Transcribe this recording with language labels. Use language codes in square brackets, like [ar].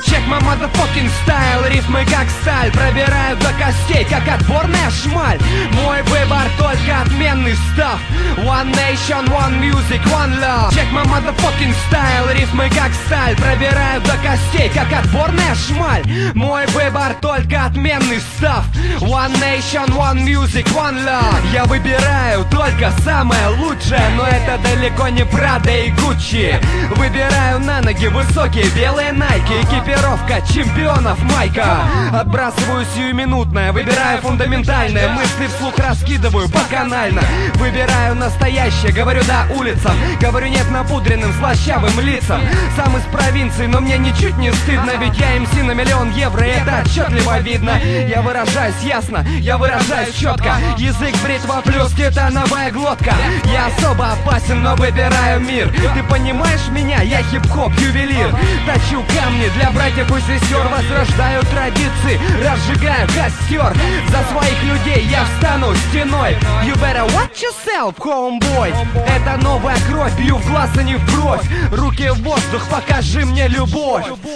[en] My motherfucking style, [ru] рифмы как сталь, пробирают до костей, как отборная шмаль. Мой выбор только отменный став. [en] One nation, one music, one love. Check my motherfucking style, [ru] рифмы как сталь, пробирают до костей, как отборная шмаль. Мой выбор только отменный став. [en] One nation, one music, one love. [ru] Я выбираю только самое лучшее, но это далеко не Prada и Gucci. Выбираю на ноги высокие белые Nike, экипировка чемпионов майка. Отбрасываю сиюминутное, выбираю фундаментальное, мысли вслух раскидываю по канально. Выбираю настоящее, говорю да улицам, говорю нет напудренным слащавым лицам. Сам из провинции, но мне ничуть не стыдно, ведь я MC на миллион евро, и это отчетливо видно. Я выражаюсь ясно, я выражаюсь четко, язык бритва плюс титановая глотка. Я особо опасен, но выбираю мир. Ты понимаешь меня? Я хип-хоп ювелир. Точу камни для братьев и сестер, возрождаю традиции, разжигаю костер. За своих людей я встану стеной. [en] You better watch yourself, homeboy. [ru] Это новая кровь, бью в глаз, а не в бровь. Руки в воздух, покажи мне любовь.